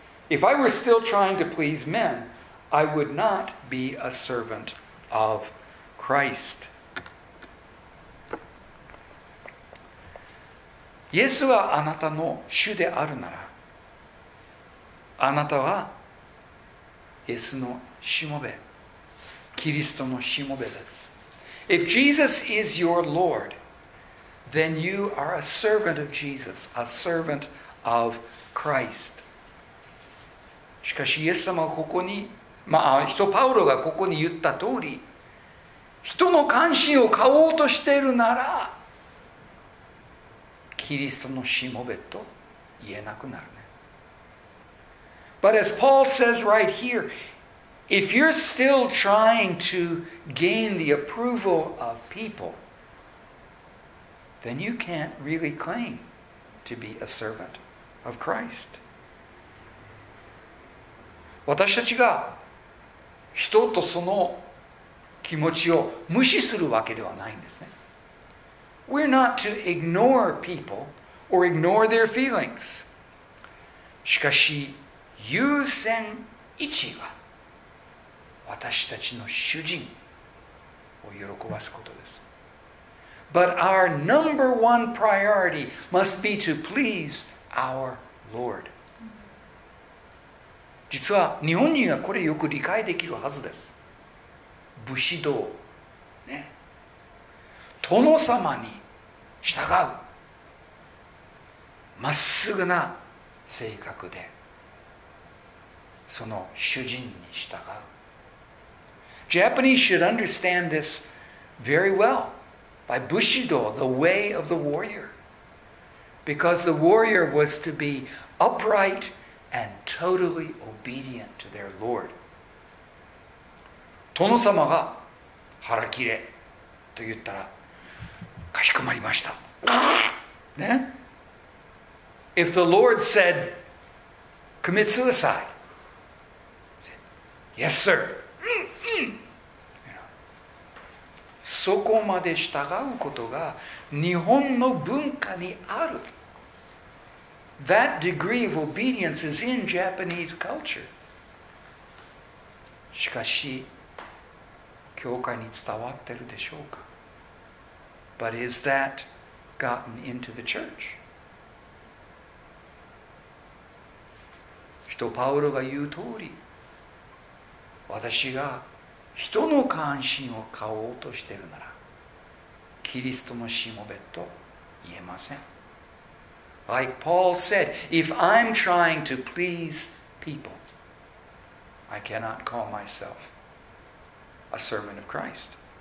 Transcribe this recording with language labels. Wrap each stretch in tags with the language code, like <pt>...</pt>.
<en>If I were still trying to please men, I would not be a servant of Christ.</en> <ja>イエスはあなたの主であるなら、あなたはイエスのしもべ、キリストのしもべです。</ja> <en>If Jesus is your Lord, then you are a servant of Jesus, a servant of Christ.</en> <ja>しかしイエス様はここに、人パウロがここに言った通り、人の関心を買おうとしているなら、キリストのしもべと言えなくなるね。</ja> <en>But as Paul says right here, if you're still trying to gain the approval of people, then you can't really claim to be a servant of Christ.</en> <ja>私たちが人とその気持ちを無視するわけではないんですね。</ja> <en>We're not to ignore people or ignore their feelings.</en> <ja>しかし、優先一は私たちの主人を喜ばすことです。</ja> <en>But our number one priority must be to please our Lord.</en> <ja>実は日本人はこれよく理解できるはずです。武士道、ね、殿様に従う、まっすぐな性格で、その主人に従う。</ja> <en>Japanese should understand this very well by Bushido, the way of the warrior. Because the warrior was to be upright and totally obedient to their Lord.</en> <ja>殿様が腹切れと言ったら、かしこまりました。</ja> <en>ね?If the Lord said, commit suicide, said, yes, sir.</en> <ja>そこまで従うことが日本の文化にある。</ja> <en>That degree of obedience is in Japanese culture.</en> <ja>しかし、教会に伝わってるでしょうか?</ja> <en>But is that gotten into the church?</en> <ja>人パウロが言う通り、私が人の関心を買おうとしているなら、キリストのしもべと言えません。</ja> <en>Like Paul said, if I'm trying to please people, I cannot call myself a servant of Christ.</en>